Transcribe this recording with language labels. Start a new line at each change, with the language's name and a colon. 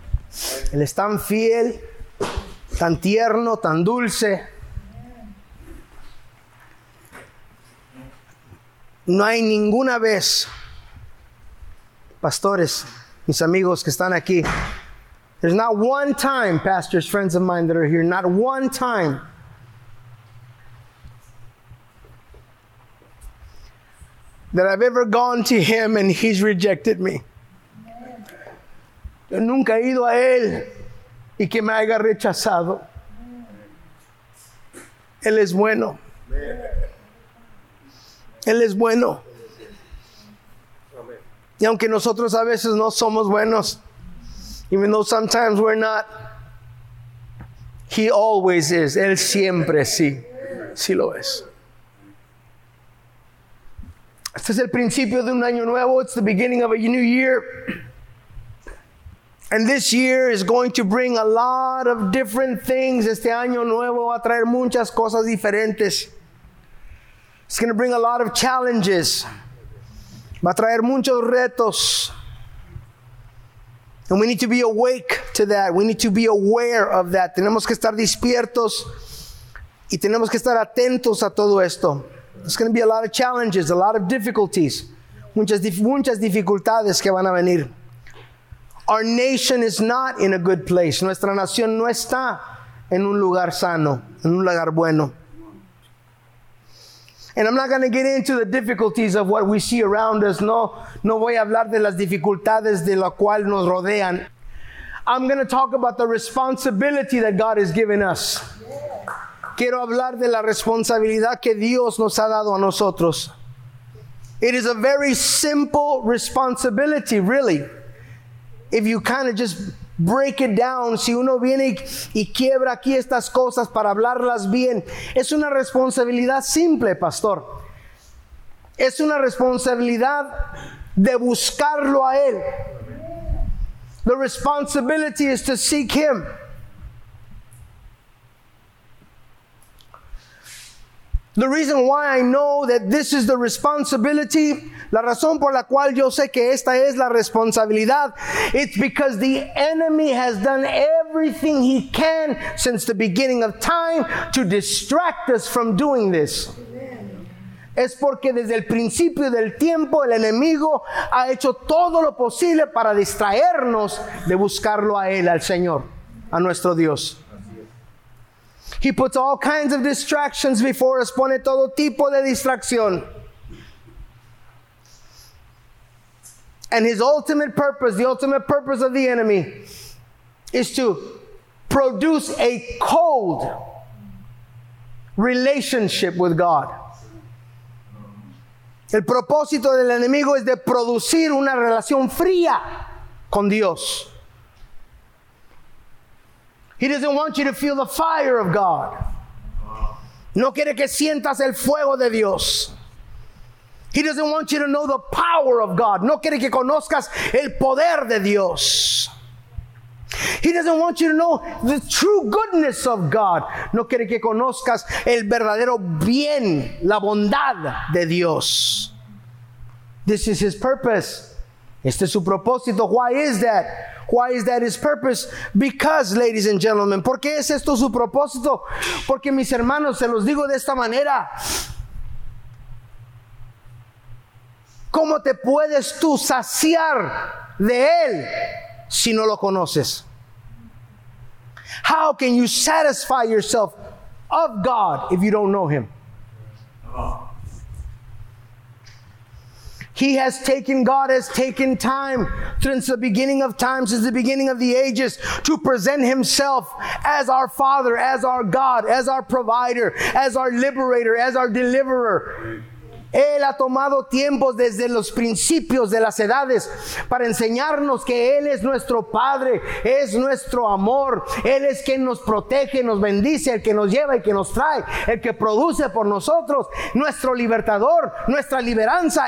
Spanish: Él es tan fiel, tan tierno, tan dulce. No hay ninguna vez, pastores, mis amigos que están aquí,
English: there's not one time, pastors, friends of mine that are here, not one time that I've ever gone to him and he's rejected me.
Spanish: Yo nunca he ido a él y que me haya rechazado. Él es bueno. Él es bueno. Y aunque nosotros a veces no somos buenos,
English: even though sometimes we're not, he always is.
Spanish: Él siempre sí, sí lo es. Este es el principio de un año nuevo.
English: It's the beginning of a new year. And this year is going to bring a lot of different things.
Spanish: Este año nuevo va a traer muchas cosas diferentes.
English: It's going to bring a lot of challenges.
Spanish: Va a traer muchos retos.
English: And we need to be awake to that. We need to be aware of that.
Spanish: Tenemos que estar despiertos y tenemos que estar atentos a todo esto.
English: It's going to be a lot of challenges, a lot of difficulties.
Spanish: Muchas dificultades que van a venir.
English: Our nation is not in a good place.
Spanish: Nuestra nación no está en un lugar sano, en un lugar bueno.
English: And I'm not going to get into the difficulties of what we see around us.
Spanish: No voy a hablar de las dificultades de la cual nos rodean.
English: I'm going to talk about the responsibility that God has given us.
Spanish: Quiero hablar de la responsabilidad que Dios nos ha dado a nosotros.
English: It is a very simple responsibility, really. If you kind of just break it down,
Spanish: si uno viene y quiebra aquí estas cosas para hablarlas bien, es una responsabilidad simple, pastor. Es una responsabilidad de buscarlo a él.
English: The responsibility is to seek him. The reason why I know that this is the responsibility,
Spanish: la razón por la cual yo sé que esta es la responsabilidad,
English: it's because the enemy has done everything he can since the beginning of time to distract us from doing this.
Spanish: Amen. Es porque desde el principio del tiempo el enemigo ha hecho todo lo posible para distraernos de buscarlo a él, al Señor, a nuestro Dios.
English: He puts all kinds of distractions before us.
Spanish: Pone todo tipo de distracción.
English: And his ultimate purpose, the ultimate purpose of the enemy, is to produce a cold relationship with God.
Spanish: El propósito del enemigo es de producir una relación fría con Dios.
English: He doesn't want you to feel the fire of God.
Spanish: No quiere que sientas el fuego de Dios.
English: He doesn't want you to know the power of God.
Spanish: No quiere que conozcas el poder de Dios.
English: He doesn't want you to know the true goodness of God.
Spanish: No quiere que conozcas el verdadero bien, la bondad de Dios.
English: This is his purpose.
Spanish: Este es su propósito.
English: Why is that? Why is that his purpose? Because, ladies and gentlemen,
Spanish: ¿por qué es esto su propósito? Porque, mis hermanos, se los digo de esta manera. ¿Cómo te puedes tú saciar de él si no lo conoces?
English: How can you satisfy yourself of God if you don't know him? He has taken, God has taken time since the beginning of time, since the beginning of the ages, to present himself as our Father, as our God, as our provider, as our liberator, as our deliverer.
Spanish: Él ha tomado tiempos desde los principios de las edades para enseñarnos que Él es nuestro Padre, es nuestro amor. Él es quien nos protege, nos bendice, el que nos lleva y que nos trae, el que produce por nosotros, nuestro libertador, nuestra liberanza.